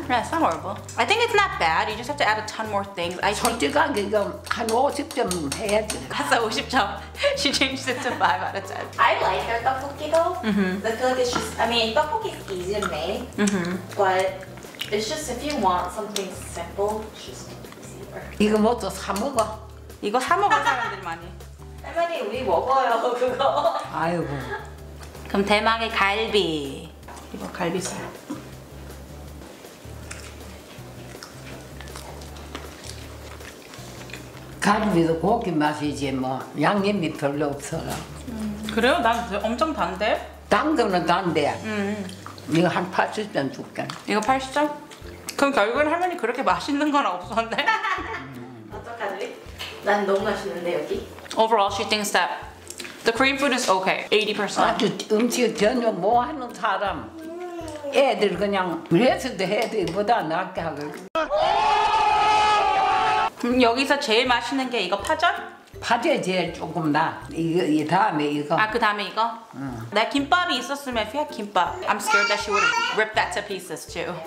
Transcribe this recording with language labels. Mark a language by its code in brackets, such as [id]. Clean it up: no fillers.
[en] Yeah, it's not horrible. I think it's not bad. You just have to add a ton more things. I [ko] 솔직하게 이건 한 50점 해야지. 가서 50점. [en] She changed it to 5 out of 10. I like her 떡볶이 though. Mm-hmm. I feel like it's just, I mean, 떡볶이 is easy to make. Mm-hmm. But it's just if you want something simple, it's just easier. [ko] 이거 먹어, 사 먹어. 이거 사 먹어, 사람들 많이. 할머니, 우리 먹어요, 그거. 아이고. 그럼 대망의 갈비. 이거 갈비살. 갈비도 고기 맛이지 뭐 양념이 별로 없어서. 그래요? 난 엄청 단데? 단 거는 단데. 이거 한 80점 줄게. 이거 80점? 그럼 결국엔 할머니 그렇게 맛있는 건 없었네? 어떡하지? 난 너무 맛있는데 여기? [en] Overall she thinks that the Korean food is okay. 80%. [ko] 아주 음식 전혀 뭐 하는 사람. 애들 그냥 레슨도 해도 보다 낫게 하거든. 여기서 제일 맛있는 게 이거 파전? 파전 제일 조금 나. 이거 이 다음에 이거. 아, 그 다음에 이거? 응. 내 김밥이 있었으면 피아 김밥. [en] I'm scared that she would rip that to pieces too.